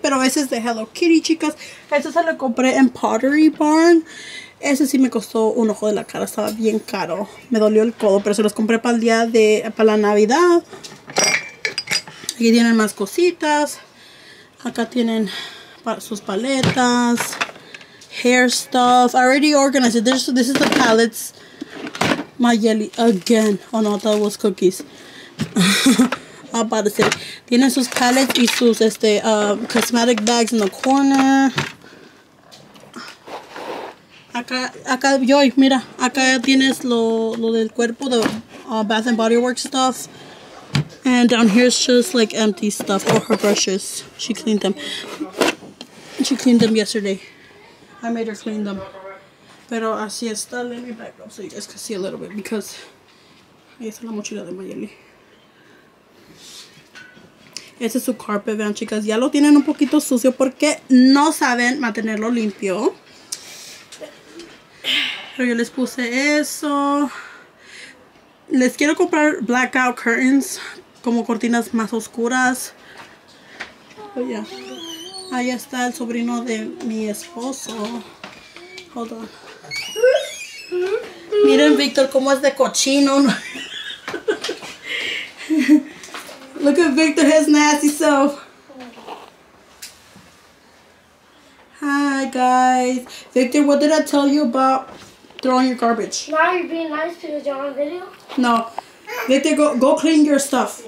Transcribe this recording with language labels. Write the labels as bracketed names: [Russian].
[Spanish] Pero ese es de Hello Kitty, chicas. Ese se lo compré en Pottery Barn. Ese sí me costó un ojo de la cara, estaba bien caro. Me dolió el codo, pero se los compré para el día de... para la Navidad. Aquí tienen más cositas. Acá tienen sus paletas. [English] Hair stuff. I already organized it. This is the palettes. My jelly again. Oh no, I thought it was cookies. I'm about to say. [Spanish] Tienen sus palettes y sus [English] cosmetic bags in the corner. [Spanish] Acá, Joy, mira, acá tienes lo del cuerpo, [English] the Bath and Body Works stuff. And down here is just like empty stuff, or her brushes. She cleaned them yesterday. I made her clean them. [Spanish] Pero así está. [English] Let me back up so you guys can see a little bit. [Spanish] Because ahí está la mochila de Mayeli. Ese es su carpet, vean chicas. Ya lo tienen un poquito sucio porque no saben mantenerlo limpio. Pero yo les puse eso. Les quiero comprar [English] blackout curtains. [Spanish] Como cortinas más oscuras. Oh, yeah. Ahí está el sobrino de mi esposo. [English] Hold on. [Spanish] Miren, Víctor, cómo es de cochino. [English] Look at Victor, his nasty self. Hi, guys. Victor, what did I tell you about throwing your garbage? Why are you being nice to the John video? No. Victor, go clean your stuff.